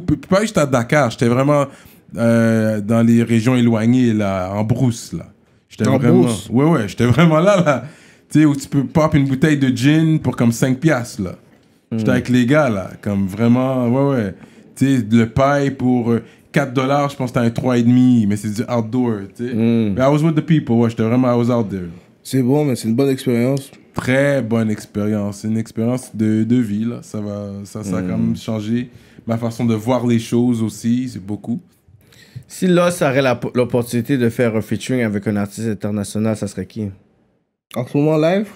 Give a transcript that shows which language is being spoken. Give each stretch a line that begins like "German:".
French: Pas juste à Dakar, j'étais vraiment dans les régions éloignées, là, en brousse, là. Ouais, j'étais vraiment là. Tu sais, où tu peux pop une bouteille de gin pour comme 5 piastres, là. J'étais avec les gars, là, comme vraiment, ouais. Tu sais, le paille pour 4$, je pense que t'as un 3,5, mais c'est du outdoor, tu sais.
English: But I was with the people,
French: ouais, j'étais vraiment,
English: I was out there.
French: C'est bon, mais c'est une bonne expérience. Très bonne expérience, une expérience de vie, là. Ça a quand même changé ma façon de voir les choses aussi, c'est beaucoup. Si Lost aurait l'opportunité de faire un featuring avec un artiste international, ça serait qui? En ce moment, live?